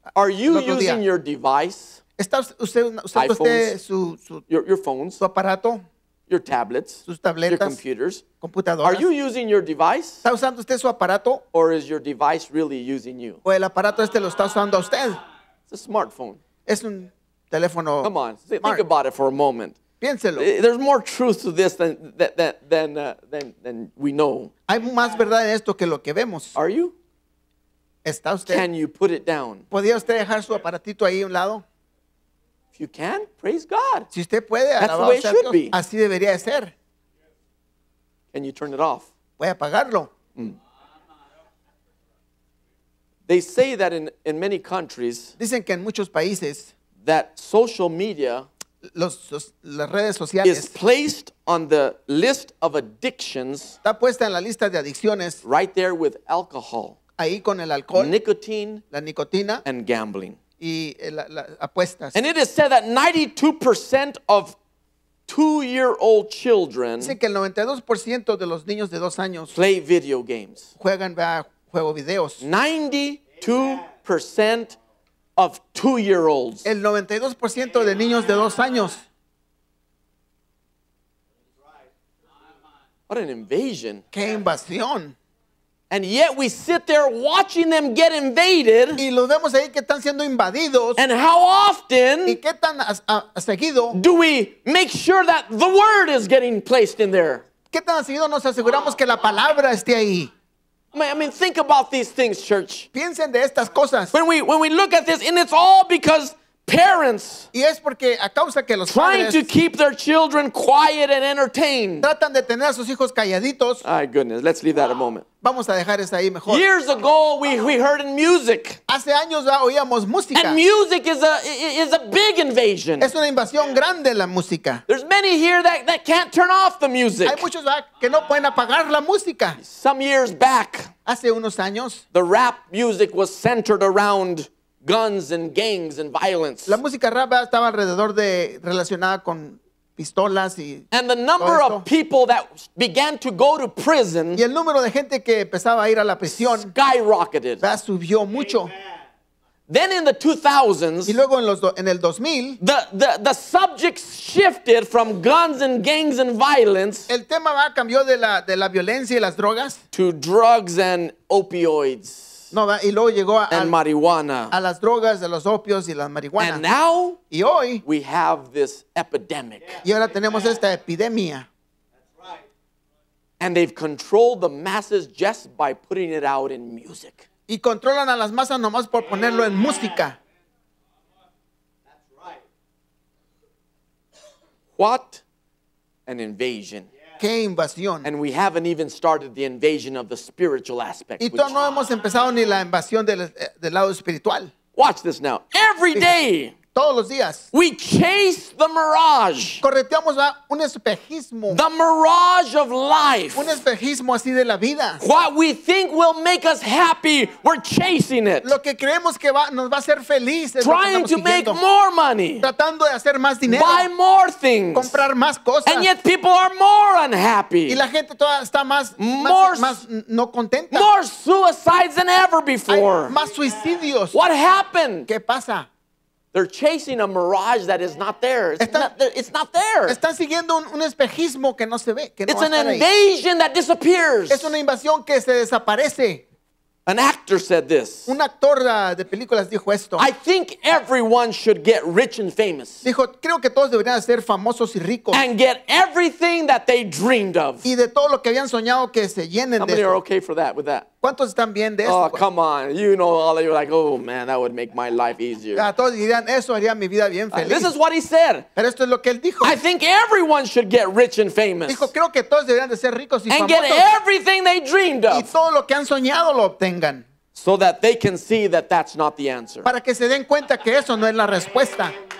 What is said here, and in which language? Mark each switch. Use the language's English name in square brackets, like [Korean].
[English] Are you using your device? [Spanish] ¿Está usted usando usted su [English] your phones, [Spanish] su aparato? [English] Your tablets, [Spanish] sus tabletas, [English] your computers, [Spanish] computadoras. [English] Are you using your device? [Spanish] ¿Está usando usted su aparato? [English] Or is your device really using you? [Spanish] ¿O el aparato este lo está usando a usted? [English] It's a smartphone. [Spanish] Es un teléfono. [English] Come on, think about it for a moment. [Spanish] Piénselo. [English] There's more truth to this than we know. [Spanish] Hay más verdad en esto que lo que vemos. [English] Are you? [Spanish] ¿Está usted? [English] Can you put it down? [Spanish] ¿Podría usted dejar su aparatito ahí a un lado? [English] If you can, praise God. [Spanish] Si usted puede, [English] that's the way it should be. [Spanish] Así debería de ser. [English] Can you turn it off? [Spanish] Voy a apagarlo. Mm. [English] They say that in many countries, [Spanish] dicen que en muchos países, [English] that social media [Spanish] las redes sociales, [English] is placed on the list of addictions, [Spanish] está puesta en la lista de adicciones, [English] right there with alcohol, [Spanish] ahí con el alcohol, [English] nicotine, [Spanish] la nicotina, [English] and gambling. [Spanish] Y la apuestas. [English] And it is said that 92% of two-year-old children [Spanish] dice que el 92% de los niños de 2 años [English] play video games. [Spanish] Juegan juego videos. [English] 92% of two-year-olds. [Spanish] El 92% de niños de 2 años. [English] What an invasion. [Spanish] Qué invasión. [English] And yet we sit there watching them get invaded. [Spanish] Y los vemos ahí que están siendo invadidos. [English] And how often [Spanish] y qué tan a seguido [English] do we make sure that the word is getting placed in there? [Spanish] ¿Qué tan a seguido nos aseguramos que la palabra esté ahí? [English] I mean, think about these things, church. [Spanish] Piensen de estas cosas. [English] When we look at this, and it's all because parents [Spanish] y es porque a causa que los [English] trying [Spanish] padres [English] to keep their children quiet and entertained. [Spanish] Tratan de tener a sus hijos calladitos. [English] My goodness, let's leave that a moment. [Spanish] Vamos a dejar eso ahí mejor. [English] Years ago, we heard in music. [Spanish] Hace años oíamos música. [English] And music is a big invasion. [Spanish] Es una invasión grande la música. [English] There's many here that can't turn off the music. [Spanish] Hay muchos que no pueden apagar la música. [English] Some years back, [Spanish] hace unos años, [English] the rap music was centered around guns and gangs and violence. [Spanish] La música rap estaba alrededor de relacionada con pistolas y [English] and the number of people that began to go to prison. [Spanish] Y el número de gente que empezaba a ir a la prisión [English] skyrocketed. [Spanish] Ya subió mucho. [English] Amen. Then in the 2000s. [Spanish] Y luego en el 2000. [English] The subject shifted from guns and gangs and violence. [Spanish] El tema cambió de la violencia y las drogas [English] to drugs and opioids. [Spanish] No, y luego llegó [English] and marijuana. [Spanish] A las drogas, a los opios y la marihuana. [English] And now, [Spanish] y hoy, [English] we have this epidemic. [Spanish] Y ahora tenemos esta epidemia. [English] And they've controlled the masses just by putting it out in music. [Spanish] Y controlan a las masas nomás por ponerlo en música. [English] What an invasion. [Spanish] Qué invasión. [English] And we haven't even started the invasion of the spiritual aspect. [Spanish] Y todavía no hemos empezado ni la invasión del lado espiritual. [English] Watch this now. Every day. [Spanish] Todos los días. [English] We chase the mirage. [Spanish] Correteamos un espejismo. [English] The mirage of life. [Spanish] Un espejismo así de la vida. [English] What we think will make us happy, we're chasing it. [Spanish] Lo que creemos que nos va a hacer feliz es [English] trying [Spanish] lo que estamos siguiendo. [English] Make more money. [Spanish] Tratando de hacer más dinero. [English] Buy more things. [Spanish] Comprar más cosas. [English] And yet people are more unhappy. [Spanish] Y la gente toda está más no contenta. [English] More suicides than ever before. [Spanish] Hay más suicidios. [English] What happened? [Spanish] ¿Qué pasa? [English] They're chasing a mirage that is not there. It's not there. [Spanish] Están siguiendo un espejismo que no se ve. Que no [English] it's an invasion That disappears. [Spanish] Es una invasión que se desaparece. [English] An actor said this. [Spanish] Un actor de películas dijo esto. [English] I think everyone should get rich and famous. [Spanish] Dijo, creo que todos deberían ser famosos y ricos. [English] And get everything that they dreamed of. [Spanish] Y de todo lo que habían soñado que se llenen [English] somebody [Spanish] de eso. [English] Are okay for that, with that. [Spanish] ¿Cuántos están bien de eso? [English] Oh, come on. You know, all of you are like, oh, man, that would make my life easier. [Spanish] Todos dirían, eso haría mi vida bien feliz. [English] This is what he said. [Spanish] Pero esto es lo que él dijo. [English] I think everyone should get rich and famous. [Spanish] Dijo, creo que todos deberían de ser ricos y famosos. [English] And get everything they dreamed of. [Spanish] Y todo lo que han soñado lo obtengan. [English] So that they can see that that's not the answer. [Spanish] Para que se den cuenta que eso no es la respuesta.